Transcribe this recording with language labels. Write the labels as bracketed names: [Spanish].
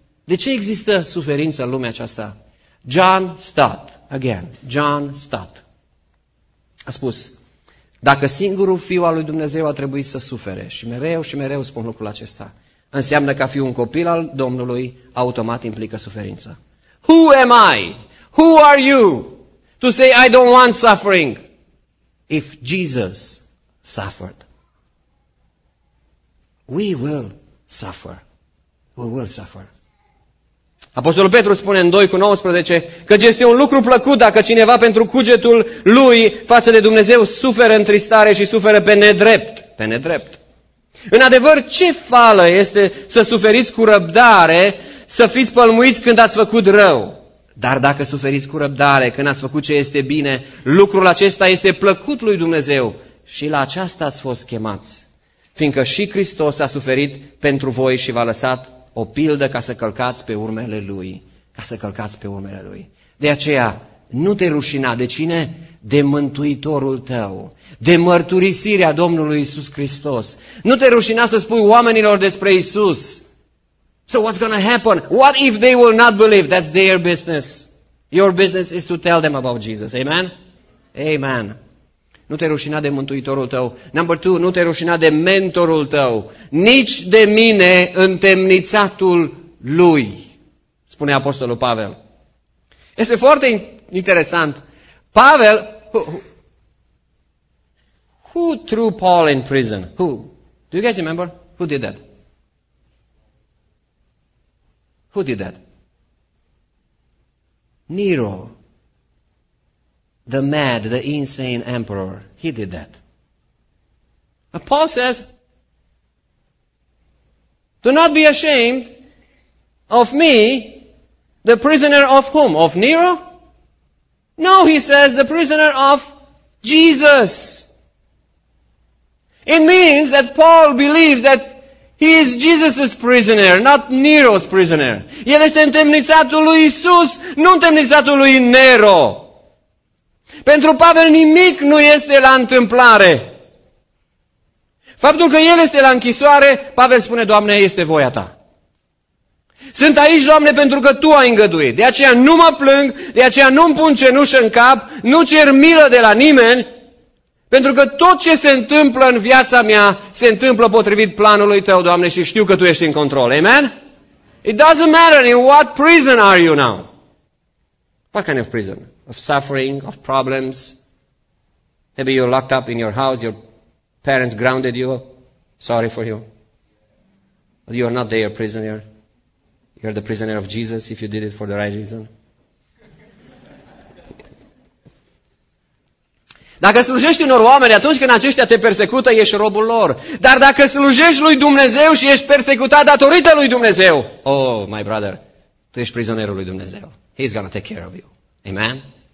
[Romanian] De ce există suferință în lumea aceasta? John Stott, again, John Stott, a spus, dacă singurul fiu al lui Dumnezeu a trebuit să sufere, și mereu și mereu spun lucrul acesta, înseamnă că a fi un copil al Domnului automat implică suferință. [English] Who am I? Who are you? To say I don't want suffering if Jesus suffered. We will suffer. We will suffer. [Romanian] Apostolul Petru spune în 2:19 că este un lucru plăcut dacă cineva pentru cugetul lui față de Dumnezeu suferă întristare și suferă pe nedrept. Pe nedrept. În adevăr, ce fală este să suferiți cu răbdare, să fiți pălmuiți când ați făcut rău? Dar dacă suferiți cu răbdare când ați făcut ce este bine, lucrul acesta este plăcut lui Dumnezeu și la aceasta ați fost chemați, fiindcă și Hristos a suferit pentru voi și v-a lăsat o pildă ca să călcați pe urmele Lui. Ca să călcați pe urmele Lui. De aceea, nu te rușina. De cine? De Mântuitorul tău. De mărturisirea Domnului Iisus Hristos. Nu te rușina să spui oamenilor despre Iisus. [English] So what's going to happen? What if they will not believe? That's their business. Your business is to tell them about Jesus. Amen? Amen. [Romanian] Nu te rușina de Mântuitorul tău. [English] Number two, [Romanian] nu te rușina de mentorul tău. Nici de mine, întemnițatul lui. Spune Apostolul Pavel. Este foarte interesant. [English] Pavel, who threw Paul in prison? Who? Do you guys remember? Who did that? Who did that? Nero. The mad, the insane emperor. He did that. But Paul says, do not be ashamed of me, the prisoner of whom? Of Nero? No, he says, the prisoner of Jesus. It means that Paul believes that he is Jesus' prisoner, not Nero's prisoner. [Romanian] El este întemnițatul lui Iisus, nu întemnițatul lui Nero. Pentru Pavel nimic nu este la întâmplare. Faptul că el este la închisoare, Pavel spune, Doamne, este voia Ta. Sunt aici, Doamne, pentru că Tu ai îngăduit. De aceea nu mă plâng, de aceea nu-mi pun cenușă în cap, nu cer milă de la nimeni, pentru că tot ce se întâmplă în viața mea, se întâmplă potrivit planului Tău, Doamne, și știu că Tu ești în control. Amen? [English] It doesn't matter in what prison are you now. What kind of prison? Of suffering, of problems. Maybe you're locked up in your house, your parents grounded you. Sorry for you. But you are not their prisoner. You're the prisoner of Jesus if you did it for the right reason. [Romanian] Dacă slujești unor oameni, atunci când aceștia te persecută, ești robul lor. Dar dacă slujești lui Dumnezeu și ești persecutat datorită lui Dumnezeu, [English] oh, my brother, [Romanian] tu ești prizonerul lui Dumnezeu. [English] He's going to take care of you. Amen?